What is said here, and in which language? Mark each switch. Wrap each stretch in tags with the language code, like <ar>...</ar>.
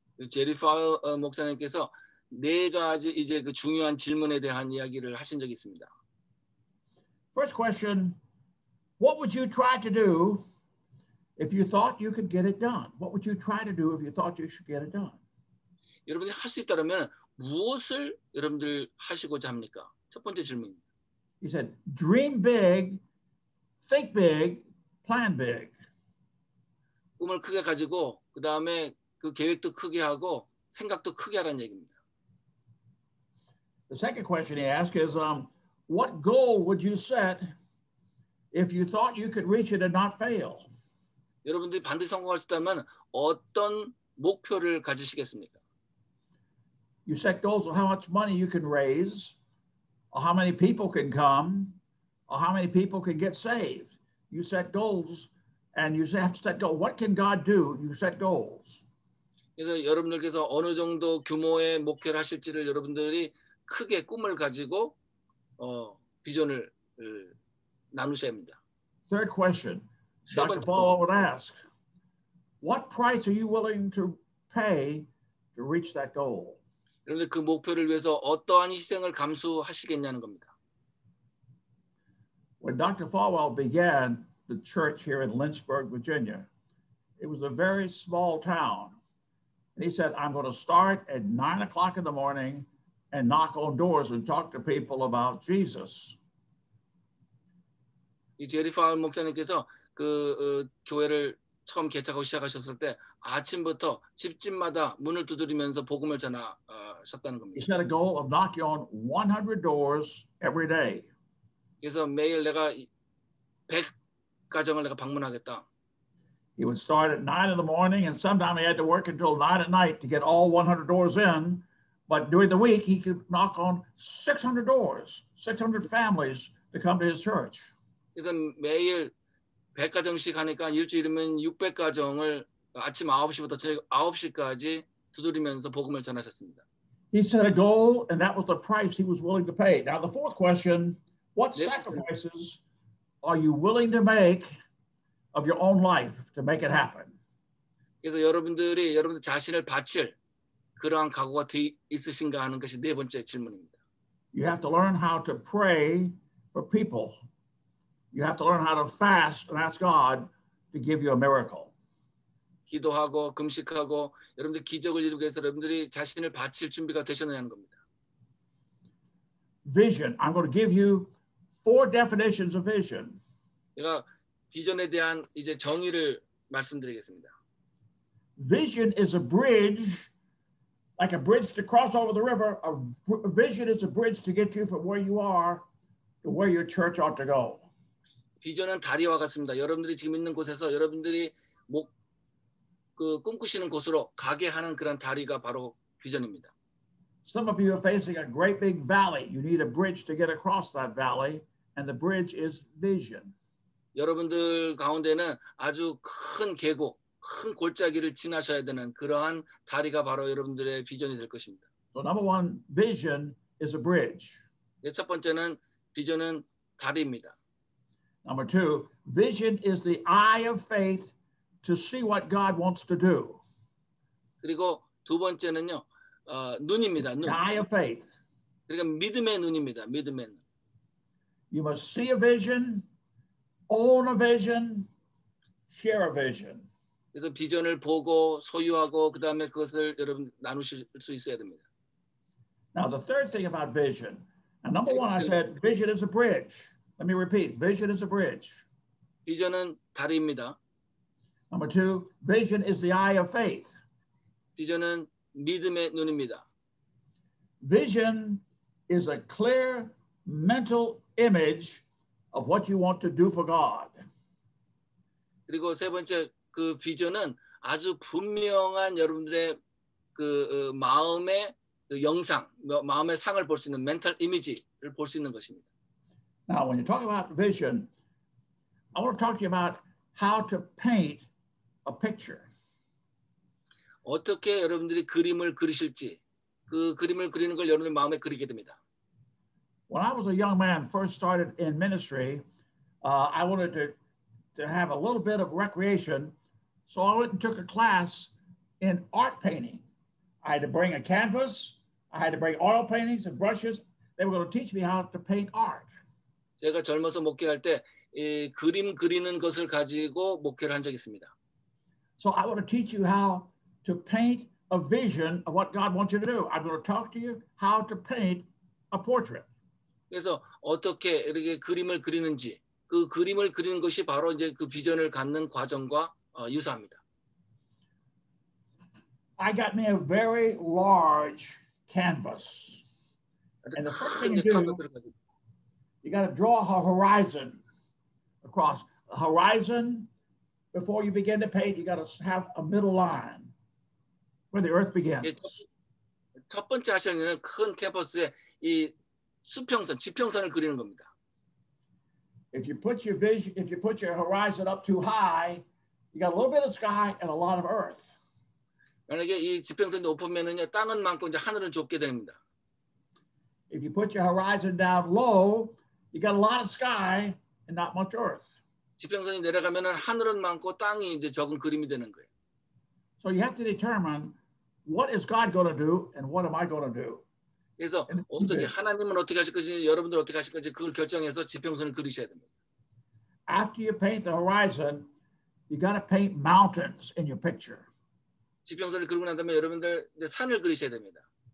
<ko>제리 파월 목사님께서 네 가지 이제 그 중요한 질문에 대한 이야기를 하신 적이 있습니다.</ko> <en>First question, what would you try to do if you thought you could get it done? What would you try to do if you thought you should get it done?</en> <ko>여러분이 할 수 있다면 무엇을 여러분들 하시고자 합니까? 첫 번째 질문.</ko> <en>He said, dream big, think big, plan big.</en> <ko>꿈을 크게 가지고 그 다음에 그 계획도 크게 하고 생각도 크게 하라는 얘기입니다.</ko> <en>The second question he asked is, what goal would you set if you thought you could reach it and not fail?</en> <ko>여러분들이 반드시 성공할 수 있다면 어떤 목표를 가지시겠습니까?</ko> <en>You set goals of how much money you can raise, or how many people can come, or how many people can get saved. You set goals, and you have to set goals. What can God do? You set goals.</en> <ko>그래서 여러분들께서 어느 정도 규모의 목표를 하실지를 여러분들이 크게 꿈을 가지고 비전을 나누셔야 합니다.</ko> <en>Third question. Dr. Falwell would ask, what price are you willing to pay to reach that goal?</en> <ko>여러분들 그 목표를 위해서 어떠한 희생을 감수하시겠냐는 겁니다.</ko> <en>When Dr. Falwell began the church here in Lynchburg, Virginia, it was a very small town. And he said, I'm going to start at 9 o'clock in the morning and knock on doors and talk to people about Jesus.</en> <ko>이 제리 파월 목사님께서 그 교회를 처음 개척하고 시작하셨을 때 아침부터 집집마다 문을 두드리면서 복음을 전하셨다는 겁니다.</ko> <en>He set a goal of knocking on 100 doors every day.</en> <ko>그래서 매일 내가 100 가정을 내가 방문하겠다.</ko> <en>He would start at 9 in the morning, and sometimes he had to work until 9 at night to get all 100 doors in. But during the week, he could knock on 600 doors, 600 families to come to his church.</en> <ko>이건 매일 100가정씩 하니까 일주일이면 600가정을 아침 9시부터 저녁 9시까지 두드리면서 복음을 전하셨습니다.</ko> <en>He set a goal, and that was the price he was willing to pay. Now, the fourth question, what sacrifices are you willing to make of your own life to make it happen.</en> <ko>그래서 여러분들이 여러분들 자신을 바칠 그러한 각오가 있으신가 하는 것이 네 번째 질문입니다.</ko> <en>You have to learn how to pray for people. You have to learn how to fast and ask God to give you a miracle.</en> <ko>기도하고 금식하고 여러분들 기적을 이루기 위해서 여러분들이 자신을 바칠 준비가 되셨느냐는 겁니다.</ko> <en>Vision. I'm going to give you four definitions of vision.</en> <ko>비전에 대한 이제 정의를 말씀드리겠습니다.</ko> <en>vision is a bridge, like a bridge to cross over the river. A vision is a bridge to get you from where you are to where your church ought to go.</en> <ko>비전은 다리와 같습니다. 여러분들이 지금 있는 곳에서 여러분들이 목 그 꿈꾸시는 곳으로 가게 하는 그런 다리가 바로 비전입니다.</ko> <en>Some of you are facing a great big valley. You need a bridge to get across that valley, and the bridge is vision.</en> <ko>여러분들 가운데는 아주 큰 계곡, 큰 골짜기를 지나셔야 되는 그러한 다리가 바로 여러분들의 비전이 될 것입니다.</ko> <en>So number one, vision is a bridge.</en> <ko>네, 첫 번째는 비전은 다리입니다.</ko> <en>Number two, vision is the eye of faith to see what God wants to do.</en> <ko>그리고 두 번째는요, 눈입니다. 눈.</ko> <en>The eye of faith.</en> <ko>그러니까 믿음의 눈입니다. 믿음의 눈.</ko> <en>You must see a vision, own a vision, share a vision.</en> <ko>그래서 비전을 보고 소유하고 그 다음에 그것을 여러분 나누실 수 있어야 됩니다.</ko> <en>Now the third thing about vision, and number one, I said vision is a bridge. Let me repeat. Vision is a bridge.</en> <ko>비전은 다리입니다.</ko> <en>Number two, vision is the eye of faith.</en> <ko>비전은 믿음의 눈입니다.</ko> <en>Vision is a clear mental image of what you want to do for God.</en> <ko>그리고 세 번째 그 비전은 아주 분명한 여러분들의 그 마음의 그 영상, 마음의 상을 볼 수 있는</ko> <en>mental image</en> <ko>를 볼 수 있는 것입니다.</ko> <en>Now, when you talk about vision, I want to talk to you about how to paint a picture.</en> <ko>어떻게 여러분들이 그림을 그리실지, 그 그림을 그리는 걸 여러분의 마음에 그리게 됩니다.</ko> <en>When I was a young man, first started in ministry, I wanted to have a little bit of recreation, so I went and took a class in art painting. I had to bring a canvas, I had to bring oil paintings and brushes. They were going to teach me how to paint art.</en> <ko>제가 젊어서 목회할 때 이 그림 그리는 것을 가지고 목회를 한 적이 있습니다.</ko> <en>So I want to teach you how to paint a vision of what God wants you to do. I'm going to talk to you how to paint a portrait.</en> <ko>그래서 어떻게 이렇게 그림을 그리는지 그 그림을 그리는 것이 바로 이제 그 비전을 갖는 과정과 유사합니다.</ko> <en>I got me a very large canvas. And the first thing you do, you got to draw a horizon across. A horizon, before you begin to paint, you got to have a middle line where the earth begins.</en> <ko>첫 번째 하시는 일은 큰 캔버스에 이 수평선, 지평선을 그리는 겁니다.</ko> <en>If you put your vision, if you put your horizon up too high, you got a little bit of sky and a lot of earth.</en> <ko>만약에 이 지평선이 높으면은요, 땅은 많고 이제 하늘은 좁게 됩니다.</ko> <en>If you put your horizon down low, you got a lot of sky and not much earth.</en> <ko>지평선이 내려가면은 하늘은 많고 땅이 이제 적은 그림이 되는 거예요.</ko> <en>So you have to determine what is God going to do and what am I going to do.</en> <ko>그래서 어떻게 하나님은 어떻게 하실 것인지 여러분들 어떻게 하실 것인지 그걸 결정해서 지평선을 그리셔야 됩니다.</ko> <en>After you paint the horizon, you got to paint mountains in your picture.</en> <ko>지평선을 그리고 난 다음에 여러분들 이제 산을 그리셔야 됩니다.</ko>